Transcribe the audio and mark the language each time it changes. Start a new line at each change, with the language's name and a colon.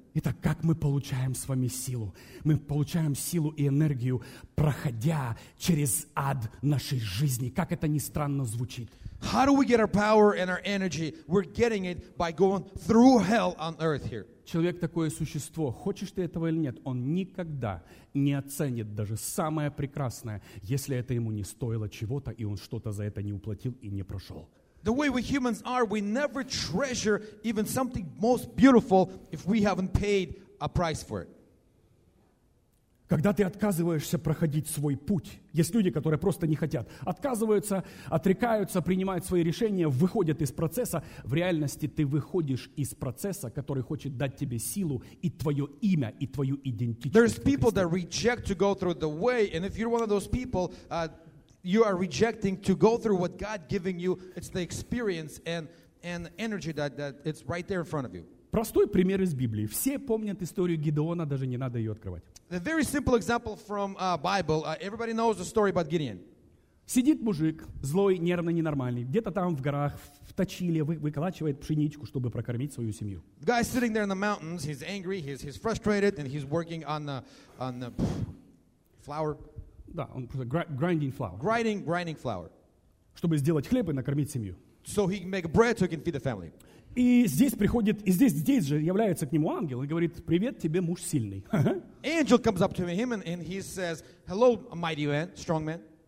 Russian: Итак, как мы получаем с вами силу? Мы получаем силу и энергию, проходя через ад нашей жизни. Как это ни странно звучит.
English: How do we get our power and our energy? We're getting it by going through hell on earth here.
Russian: Человек такое существо, хочешь ты этого или нет, он никогда не оценит даже самое прекрасное, если это ему не стоило чего-то, и он что-то за это не уплатил и не прошел.
English: The way we humans are, we never treasure even something most beautiful if we haven't paid a price for it.
Russian: Когда ты отказываешься проходить свой путь, есть люди, которые просто не хотят, отказываются, отрекаются, принимают свои решения, выходят из процесса, в реальности ты выходишь из процесса, который хочет дать тебе силу и твое имя, и твою идентичность.
English: There's people that reject to go through the way, and if you're one of those people, you are rejecting to go through what God giving you, it's the experience and energy that it's right there in front of you.
Russian: Простой пример из Библии. Все помнят историю Гидеона, даже не надо ее открывать.
English: A very simple example from Bible. Everybody knows the story about Gideon.
Russian: Сидит мужик, злой, нервный, ненормальный, где-то там в горах, в точиле, выколачивает пшеничку, чтобы прокормить свою семью.
English: The guy sitting there in the mountains, he's angry, he's frustrated, and he's working on the flour.
Russian: Да, он просто
English: grinding flour. Grinding flour.
Russian: Чтобы сделать хлеб и накормить семью.
English: So he can make bread so he can feed the family.
Russian: И здесь приходит, и здесь же является к нему ангел и говорит: «Привет тебе, муж сильный».
English: Angel comes up to him and he says, «Hello, mighty man, strong man».